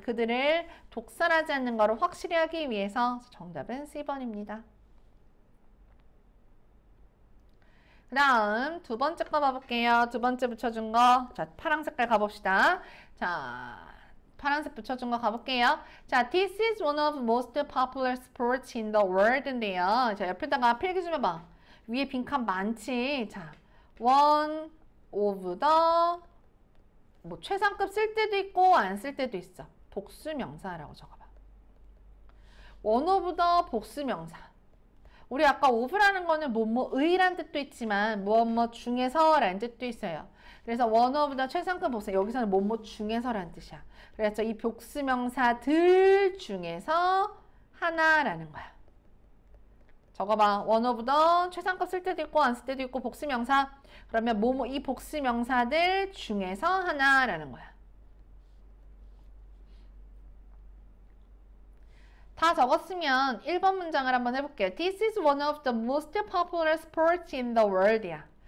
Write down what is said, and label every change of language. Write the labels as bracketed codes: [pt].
[ko] 그들을 독살하지 않는 거를 확실히 하기 위해서. 정답은 C번입니다. 그 다음 두 번째 거 봐볼게요. 두 번째 붙여준 거. 자, 파란 색깔 가봅시다. 자, 파란색 붙여준 거 가볼게요. [en] 자, this is one of most popular sports in the world인데요. [ko] 자, 옆에다가 필기 좀 해봐. 위에 빈칸 많지? 자, one of the 뭐 최상급 쓸 때도 있고 안 쓸 때도 있어. 복수명사라고 적어봐. one of the 복수명사. 우리 아까 of라는 거는 뭐뭐의란 뜻도 있지만 뭐뭐 중에서라는 뜻도 있어요. 그래서 one of the 최상급 복수, 여기서는 뭐뭐 중에서라는 뜻이야. 그래서 이 복수명사들 중에서 하나라는 거야. 적어봐. one of the 최상급 쓸 때도 있고 안 쓸 때도 있고 복수명사. 그러면 뭐뭐 이 복수명사들 중에서 하나라는 거야. 다 적었으면 1번 문장을 한번 해볼게요. [en] This is one of the most popular sports in the world야.